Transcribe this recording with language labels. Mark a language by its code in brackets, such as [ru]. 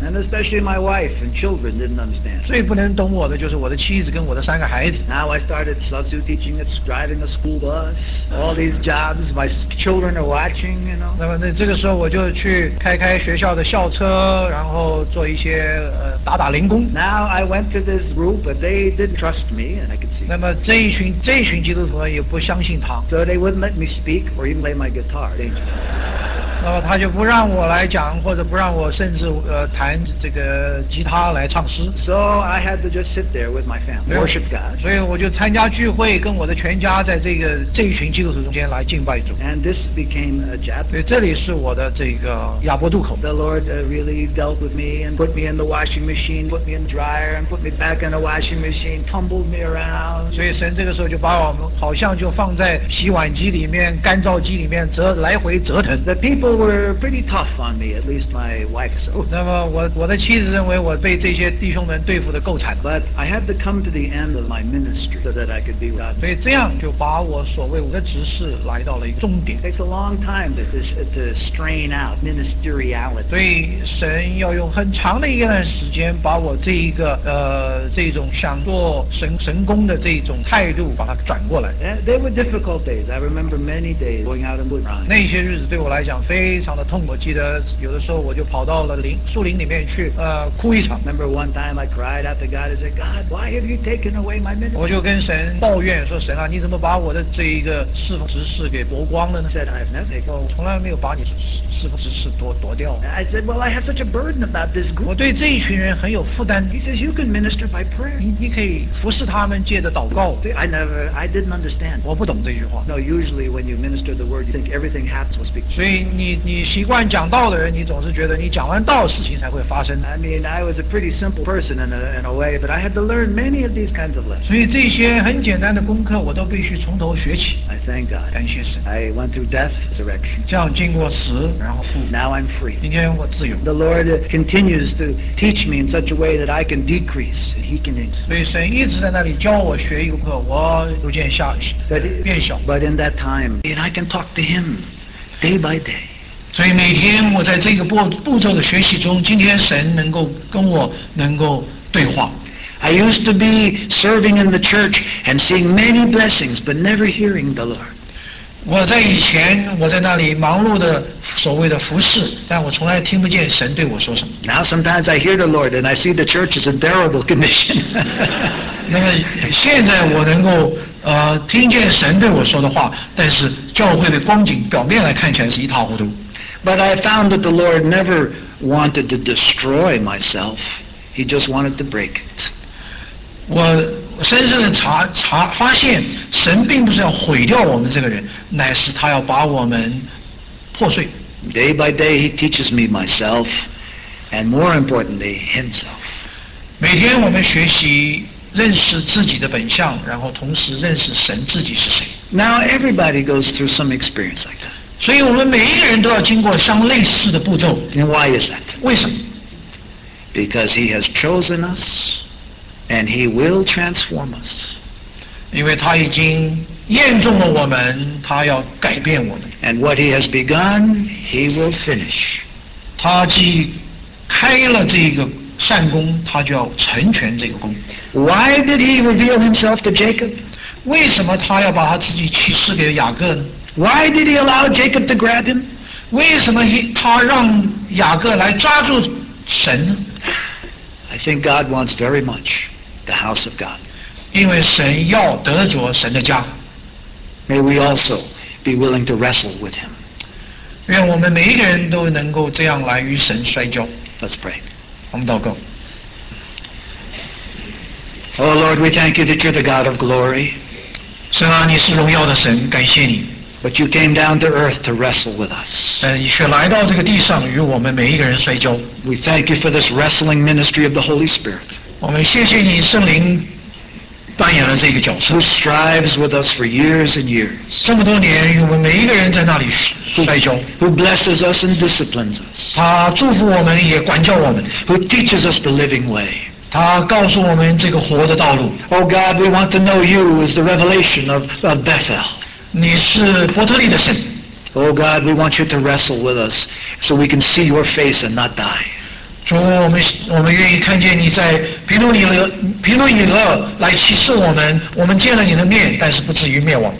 [en] And especially my wife and children didn't understand. [zh] 最不能懂我的就是我的妻子跟我的三个孩子。 [en] Now I started substitute teaching, it's driving a school bus, all these jobs, my children are watching, you know. [zh] 那么这个时候我就去开学校的校车，然后做一些打零工。 [en] Now I went to this group, but they didn't trust me, and I could see. [zh] 那么这一群基督徒也不相信他。 [en] So they wouldn't let me speak or even play my guitar. [zh] 那么他就不让我来讲，或者不让我甚至弹这个吉他来唱诗。 [en] So I had to just sit there with my family, worship God. [zh] 所以我就参加聚会，跟我的全家在这一群基督徒中间来敬拜主。 [en] And this became a Jap. [zh] 所以这里是我的这个亚伯渡口。 [en] The Lord really dealt with me and put me in the washing machine, put me in the dryer, and put me back in the washing machine, tumbled me around. [zh] 所以神这个时候就把我们好像就放在洗碗机里面、干燥机里面来回折腾。 [en] People were pretty tough on me, at least my wife so. [zh] 那么我的妻子认为我被这些弟兄们对付得够惨。 [en] But I had to come to the end of my ministry so that I could be with God. [zh] 所以这样就把我所谓我的职事来到了一个终点。 [en] It takes a long time to strain out ministeriality. [zh] 所以神要用很长的一段时间把我这一个这种想做神工的这种态度把它转过来。 [en] They were difficult days. I remember many days going out and boot running. [zh] 那些日子对我来讲非常的痛，我记得有的时候我就跑到了树林里面去哭一场。 [en] Remember one time I cried out to God, I said, God, why have you taken away my ministry? [zh] 我就跟神抱怨说，神啊，你怎么把我的这一个侍奉职事给夺光了呢？ [en] I said, I've never taken. [zh] 我从来没有把你侍奉职事夺掉。 [en] I said, well, I have such a burden about this group. [zh] 我对这一群人很有负担。 [en] He says, you can minister by prayer. [zh] 你可以服侍他们借着祷告。 [en] I didn't understand. [zh] 我不懂这句话。 [en] No, usually when you minister the word, you think everything happens will speak. [zh] 所以你习惯讲道的人，你总是觉得你讲完道事情才会发生。 [en] I mean, I was a pretty simple person in a way, but I had to learn many of these kinds of lessons. [zh] 所以这些很简单的功课，我都必须从头学起。 [en] I thank God. [zh] 感谢神。 [en] I went through death, resurrection. [zh] 这样经过死，然后复。 [en] Now I'm free. [zh] 今天我自由。 [en] The Lord continues to teach me in such a way that I can decrease and He can increase. [zh] 所以神一直在那里教我学一个课，我逐渐变小。 [en] But in that time, and I can talk to Him. Day by day. [zh] 所以每天我在这个步骤的学习中，今天神能够跟我能够对话。 [en] I used to be serving in the church and seeing many blessings, but never hearing the Lord. [zh] 我在以前我在那里忙碌的所谓的服事，但我从来听不见神对我说什么。 [en] Now sometimes I hear the Lord and I see the church is in terrible condition. [zh] 那么现在我能够听见神对我说的话，但是教会的光景表面来看起来是一塌糊涂。 [en] But I found that the Lord never wanted to destroy myself. He just wanted to break it. [zh] 我深深的发现神并不是要毁掉我们这个人，乃是他要把我们破碎。 [en] Day by day, he teaches me myself, and more importantly, himself. [zh] 每天我们学习认识自己的本相，然后同时认识神自己是谁。 [en] Now everybody goes through some experience like that. [zh] 所以我们每一个人都要经过像类似的步骤。 [en] And why is that? [zh] 为什么？ [en] Because he has chosen us, and he will transform us. [zh] 因为他已经厌中了我们，他要改变我们。 [en] And what he has begun, he will finish. [zh] 他既开了这个善功，他就要成全这个功。 [en] Why did he reveal himself to Jacob? [zh] 为什么他要把他自己启示给雅各呢？ [en] Why did he allow Jacob to grab him? [zh] 为什么他让雅各来抓住神呢？ [en] I think God wants very much the house of God. [zh] 因为神要得着神的家。 [en] May we also be willing to wrestle with him. [zh] 愿我们每一个人都能够这样来与神摔跤。 [en] Let's pray. [zh] 我们祷告。 [en] Oh Lord, we thank you that you're the God of glory. [zh] 神啊，你是荣耀的神，感谢你。 [en] But you came down to earth to wrestle with us. [zh] 但你却来到这个地上与我们每一个人摔跤。 [en] We thank you for this wrestling ministry of the Holy Spirit. [zh] 我们谢谢你圣灵扮演了这个角色。 [en] Who strives with us for years and years. [zh] 这么多年与我们每一个人在那里摔跤。 [en] Who blesses us and disciplines us. [zh] 他祝福我们也管教我们。 [en] Who teaches us the living way. [zh] 他告诉我们这个活的道路。 [en] Oh God, we want to know you as the revelation of Bethel. [zh] 你是伯特利的神。 [en] Oh God, we want you to wrestle with us so we can see your face and not die. [zh] 主，我们愿意看见你在贫怒以勒来启示我们，我们见了你的面，但是不至于灭亡。